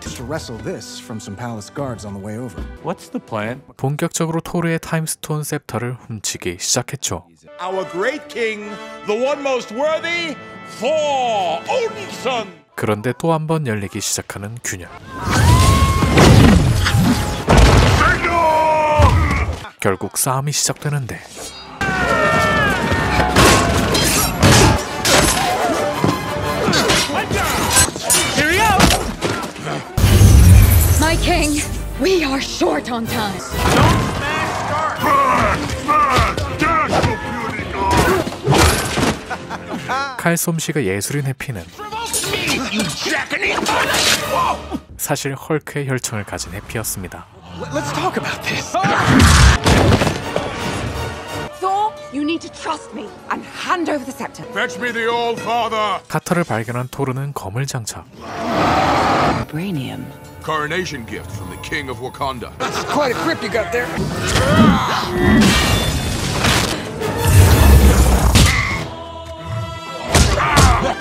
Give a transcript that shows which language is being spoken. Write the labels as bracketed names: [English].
[English] Just to wrestle this from some palace guards on the way over. What's the plan? [Korean] 본격적으로 토르의 타임스톤 셉터를 훔치기 시작했죠. [English] Our great king, the one most worthy, Thor Odinson. [Korean] 그런데 또 한 번 열리기 시작하는 균열. 결국 싸움이 시작되는데 [English] Here we go. My king, we are short on time. Don't smash dark. Burn, burn, dash, you beauty god. [Korean] 해피는 사실 헐크의 혈청을 가진 해피였습니다. [English] Let's talk about this. You need to trust me and hand over the scepter. Fetch me the old father. [Korean] 카터를 발견한 토르는 검을 장착. [English] Vibranium. Coronation gift from the king of Wakanda. That's quite a grip you got there. 아!